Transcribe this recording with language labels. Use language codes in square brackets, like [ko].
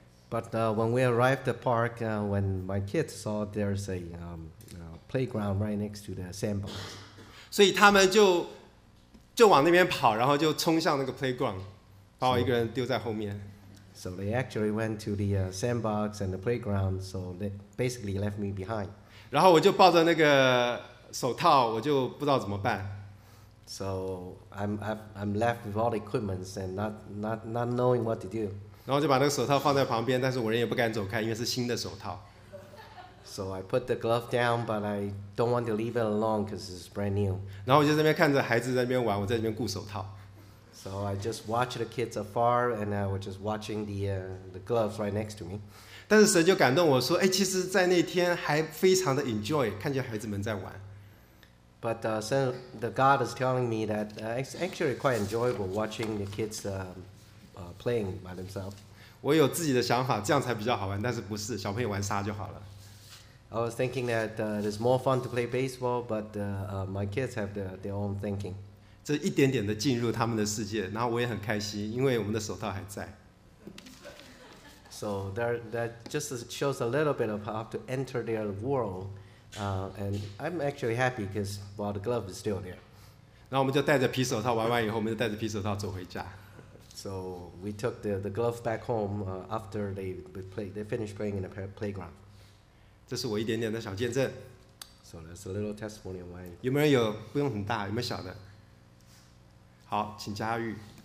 [en] But when we arrived at the park, when my kids saw there's a playground right next to the sandbox, [zh] 所以他们就往那边跑，然后就冲向那个 playground， 把我一个人丢在后面。 [en] So they actually went to the sandbox and the playground, so they basically left me behind. [zh] 然后我就抱着那个手套，我就不知道怎么办。 [en] So I'm left with all the equipments and not knowing what to do. [zh] 然后就把那个手套放在旁边，但是我人也不敢走开，因为是新的手套。 [en] So I put the glove down, but I don't want to leave it alone because it's brand new. [zh] 然后我就在那边看着孩子在那边玩，我在那边顾手套。 [en] So I just watch the kids afar, and I was just watching the gloves right next to me. [zh] 但是神就感动我说，哎，其实，在那天还非常的 enjoy， 看见孩子们在玩。 [en] But the God is telling me that it's actually quite enjoyable watching the kids playing by themselves. [zh] 我有自己的想法，这样才比较好玩。但是不是小朋友玩沙就好了。 [en] I was thinking that it's more fun to play baseball, but my kids have their own thinking. [zh] 这一点点的进入他们的世界，然后我也很开心，因为我们的手套还在。 [en] So that just shows a little bit of how to enter their world. And I'm actually happy because well, the glove is still there. [zh] 然后我们就戴着皮手套玩完以后，我们就戴着皮手套走回家。 [en] So we took the glove back home after they finished playing in the playground. [zh] 这是我一点点的小见证。 [en] So that's a little testimony of mine. [zh] 有没有人有不用很大，有没有小的？好，请嘉玉。